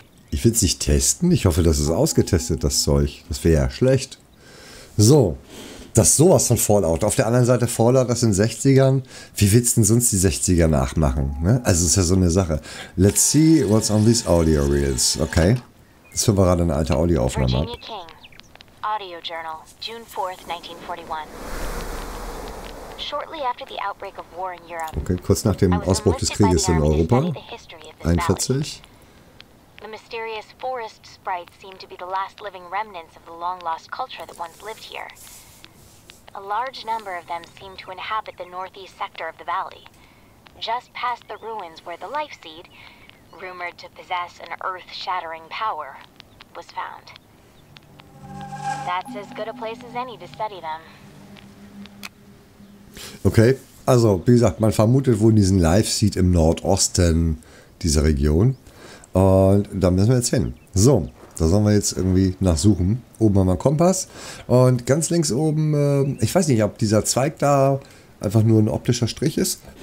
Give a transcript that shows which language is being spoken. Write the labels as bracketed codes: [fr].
[de] Ich will es nicht testen. Ich hoffe, das ist ausgetestet, das Zeug. Das wäre ja schlecht. So, das ist sowas von Fallout. Auf der anderen Seite Fallout, das in 60ern. Wie willst du denn sonst die 60er nachmachen? Ne? Also ist ja so eine Sache. [en] Let's see what's on these audio reels. [de] Okay, jetzt hören wir gerade eine alte Audioaufnahme ab. [en] Audio Journal, June 4th, 1941. [de] Okay, kurz nach dem Ausbruch des Krieges in Europa. 41. [en] The mysterious forest sprites seem to be the last living remnants of the long-lost culture that once lived here. A large number of them seem to inhabit the northeast sector of the valley, just past the ruins where the life seed, rumored to possess an earth-shattering power, was found. That's as good a place as any to study them. [de] Okay, also wie gesagt, man vermutet wohl diesen Life Seed im Nordosten dieser Region. Und da müssen wir jetzt hin. So, da sollen wir jetzt irgendwie nachsuchen. Oben haben wir einen Kompass. Und ganz links oben, ich weiß nicht, ob dieser Zweig da einfach nur ein optischer Strich ist.